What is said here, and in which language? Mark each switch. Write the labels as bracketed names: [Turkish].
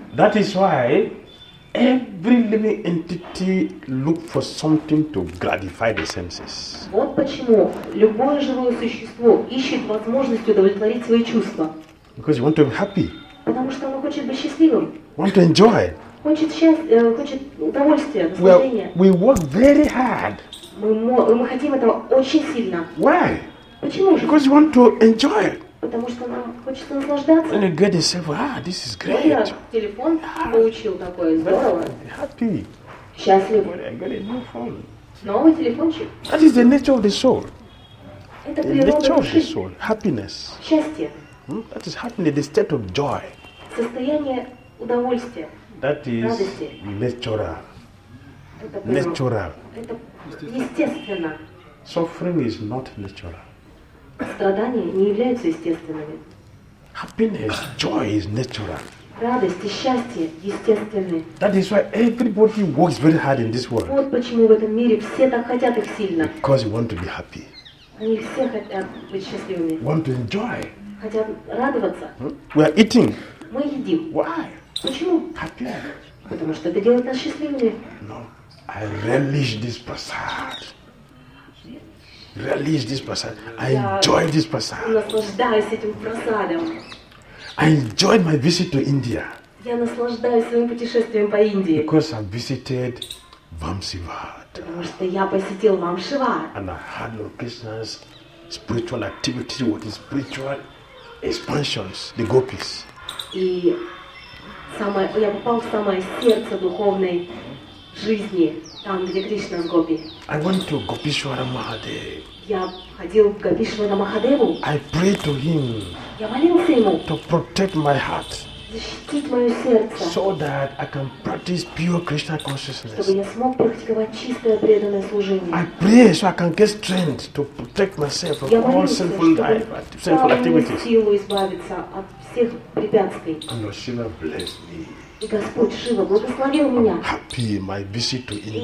[English] That is why every living entity look for something to gratify the senses. [Russian] Вот почему любое живое существо ищет возможность удовлетворить свои чувства. [English] Because you want to be happy. [Russian] Потому что оно хочет быть счастливым. [English] Want to enjoy. [Russian] Хочет счастья, хочет удовольствия, наслаждения. [English] We work very hard. [Russian] Мы хотим этого очень сильно. [English] Why? [Russian] Почему же? [English] Because you want to enjoy. [Russian] Потому что нам хочется наслаждаться. [English] And you get to say, wow, this is great. [Russian] Я телефон получил такой, здорово. [English] Happy. [Russian] Счастлив. [English] I got a new phone. [Russian] Новый телефончик. [English] That is the nature of the soul. The nature of the soul, happiness. [Russian] Счастье. [English] That is happiness, the state of joy. [Russian] Состояние удовольствия. [English] That is [Russian] радости. [English] Natural. [Russian] Это [English] natural. [Russian] Это естественно. [English] Suffering is not natural. [Russian] Страдания не являются естественными. [English] Happiness, joy is natural. [Russian] Радость и счастье естественны. [English] That is why everybody works very hard in this world. [Russian] Вот почему в этом мире все так хотят их сильно. [English] Because you want to be happy. [Russian] Они все хотят быть счастливыми. [English] Want to enjoy. [Russian] Хотят радоваться. [English] We are eating. [Russian] Мы едим. [English] Why? [Russian] Почему? [English] Happy. [Russian] Потому что это делает нас счастливыми. [English] No, I relish this prasad. Release this prasad. I enjoy this prasad. [Russian] Наслаждаюсь этим прасадом. [English] I enjoyed my visit to India. [Russian] Я наслаждаюсь своим путешествием по Индии. [English] Because I visited Vamsivad. [Russian] Потому что я посетил Вамшивад. [English] And I had locations, spiritual activities, what is spiritual expansions, the gopis. [Russian] И я попал в самое сердце духовной жизни, там, где Кришна с гопи. [English] I went to Gopishwara Mahadev. [Russian] Я ходил к Гопишвара Махадеву. [English] I prayed to him. [Russian] Я молился ему. [English] To protect my heart. [Russian] Защитить мое сердце. [English] So that I can practice pure Krishna consciousness. [Russian] Чтобы я смог практиковать чистое преданное служение. [English] I pray so I can get strength to protect myself from all sinful life, sinful activities. [Russian] Я молился, чтобы силу избавиться от всех препятствий. [English] And Lord Shiva blessed me. [Russian] И Господь Шива благословил меня. [English] Happy my visit to India.